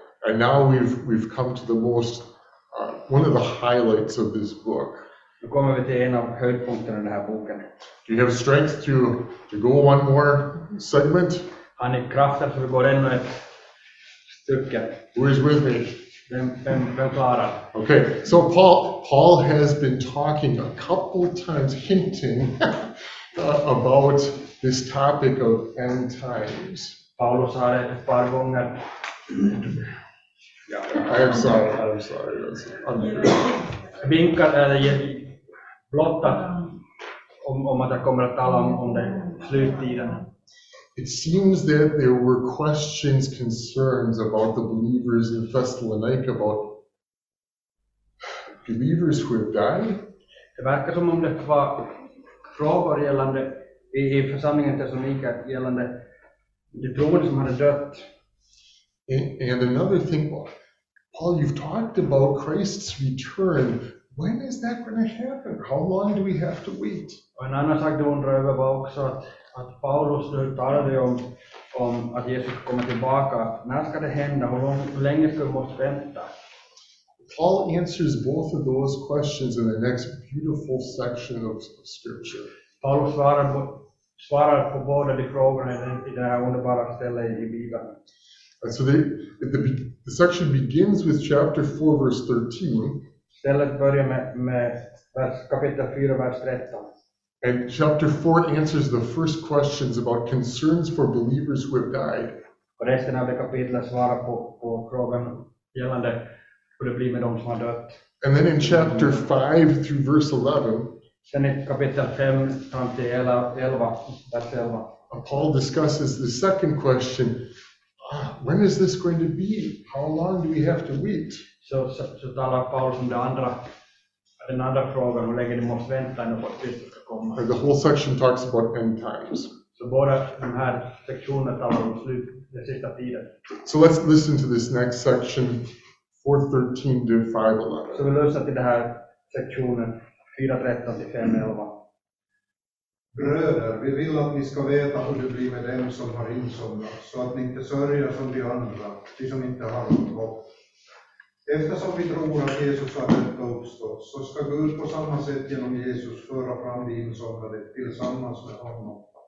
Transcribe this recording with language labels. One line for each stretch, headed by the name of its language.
English: And now we've come to the most one of the highlights of this book.
Swedish: Nu kommer vi till en av höjdpunkterna i den här boken.
English: Do you have strength to go one more segment?
Swedish: Har ni kraft att gå ännu ett stycke?
English: Who is with me?
Swedish: Vem klarar?
English: Okay, so Paul has been talking a couple times, hinting about this topic of end times.
Swedish: Paulus har ett par gånger.
English: I'm sorry.
Swedish: Vinkat eller blottat om att jag kommer att tala om den sluttiden.
English: It seems that there were questions, concerns about the believers in Thessalonica, about believers who have died.
Swedish: Det verkar som om det var frågor gällande i församlingen Thessalonica gällande de troende som hade dött.
English: And another thing, Paul, you've talked about Christ's return. When is that going to happen? How long do we have to wait?
Swedish: En annan sak du undrar över var också att Paulus nu talade om att Jesus kommer tillbaka. När ska det hända? Hur länge ska vi måste vänta?
English: Paul answers both of those questions in the next beautiful section of scripture.
Swedish: Paulus svarar på båda de frågorna i den här underbara stället i Bibeln.
English: And so the section begins with chapter 4, verse 13.
Swedish: Stället börjar med kapitel 4, vers 13.
English: And chapter 4 answers the first questions about concerns for believers who have died.
Swedish: Och resten av det kapitlet svarar på frågan gällande hur det blir med dem som har dött.
English: And then in chapter 5 through verse 11.
Swedish: Sen i kapitel 5 fram till 11, vers 11.
English: Paul discusses the second question. When is this going to be? How long do we have to wait?
Swedish: So talar Paul om den andra frågan, hur länge ni måste vänta innan Kristus ska komma.
English: The whole section talks about end times.
Swedish: Så båda de här sektionerna talar om slut, den sista tiden.
English: So let's listen to this next section, 4:13 to 5:11.
Swedish: Så vi lyssnar till den här sektionen, 4:13 till 5:11. Bröder, vi vill att ni ska veta hur det blir med dem som har insomnat, så att ni inte sörjer som de andra, de som inte har något hopp. Eftersom vi tror att Jesus har uppstått, så ska Gud på samma sätt genom Jesus föra fram de insomnade tillsammans med honom.